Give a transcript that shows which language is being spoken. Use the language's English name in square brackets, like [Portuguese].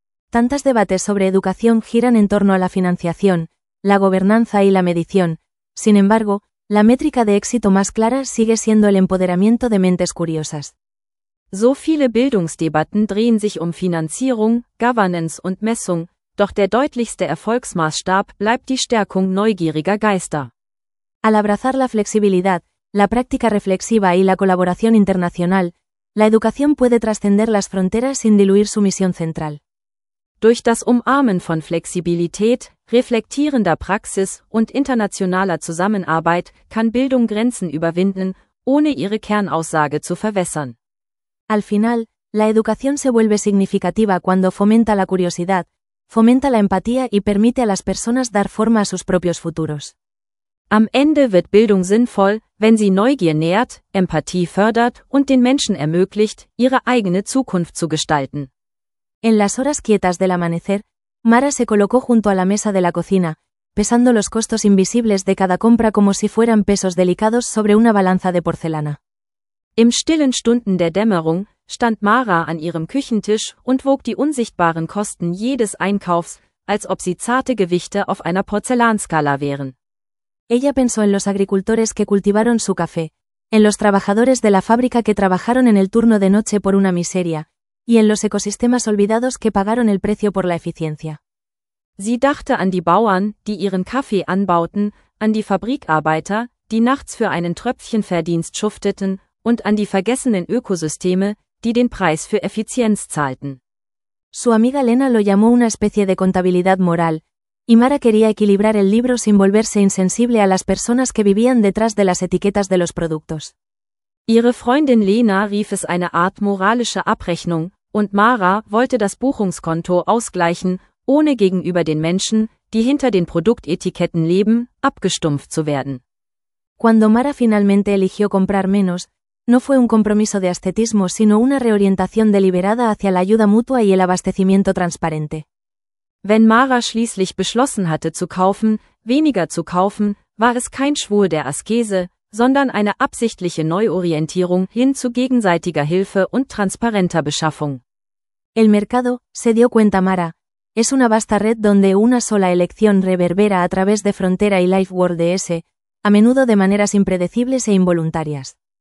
[Spanish] Tantas debates sobre educación giran en torno a la financiación, la gobernanza y la medición. Sin embargo, la métrica de éxito más clara sigue siendo el empoderamiento de mentes curiosas. [German] So viele Bildungsdebatten drehen sich Finanzierung, Governance und Messung, doch der deutlichste Erfolgsmaßstab bleibt die Stärkung neugieriger Geister. [Spanish] Al abrazar la flexibilidad, la práctica reflexiva y la colaboración internacional, la educación puede trascender las fronteras sin diluir su misión central. [German] Durch das Umarmen von Flexibilität, reflektierender Praxis und internationaler Zusammenarbeit kann Bildung Grenzen überwinden, ohne ihre Kernaussage zu verwässern. [Spanish] Al final, la educación se vuelve significativa cuando fomenta la curiosidad, fomenta la empatía y permite a las personas dar forma a sus propios futuros. [German] Am Ende wird Bildung sinnvoll, wenn sie Neugier nährt, Empathie fördert und den Menschen ermöglicht, ihre eigene Zukunft zu gestalten. [Spanish] En las horas quietas del amanecer, Mara se colocó junto a la mesa de la cocina, pesando los costos invisibles de cada compra como si fueran pesos delicados sobre una balanza de porcelana. [German] Im stillen Stunden der Dämmerung stand Mara an ihrem Küchentisch und wog die unsichtbaren Kosten jedes Einkaufs, als ob sie zarte Gewichte auf einer Porzellanskala wären. [Spanish] Ella pensó en los agricultores que cultivaron su café, en los trabajadores de la fábrica que trabajaron en el turno de noche por una miseria, y en los ecosistemas olvidados que pagaron el precio por la eficiencia. [German] Sie dachte an die Bauern, die ihren Kaffee anbauten, an die Fabrikarbeiter, die nachts für einen Tröpfchenverdienst schufteten, und an die vergessenen Ökosysteme, die den Preis für Effizienz zahlten. [Spanish] Su amiga Lena lo llamó una especie de contabilidad moral, y Mara quería equilibrar el libro sin volverse insensible a las personas que vivían detrás de las etiquetas de los productos. [German] Ihre Freundin Lena rief es eine Art moralische Abrechnung, und Mara wollte das Buchungskonto ausgleichen, ohne gegenüber den Menschen, die hinter den Produktetiketten leben, abgestumpft zu werden. [Spanish] Cuando Mara finalmente eligió comprar menos, no fue un compromiso de ascetismo, sino una reorientación deliberada hacia la ayuda mutua y el abastecimiento transparente. [German] Wenn Mara schließlich beschlossen hatte zu kaufen, weniger zu kaufen, war es kein Schwur der Askese, sondern eine absichtliche Neuorientierung hin zu gegenseitiger Hilfe und transparenter Beschaffung. [Spanish] El mercado, se dio cuenta Mara, es una vasta red donde una sola elección reverbera a través de Frontera y LifeWorld DS, a menudo de maneras impredecibles e involuntarias.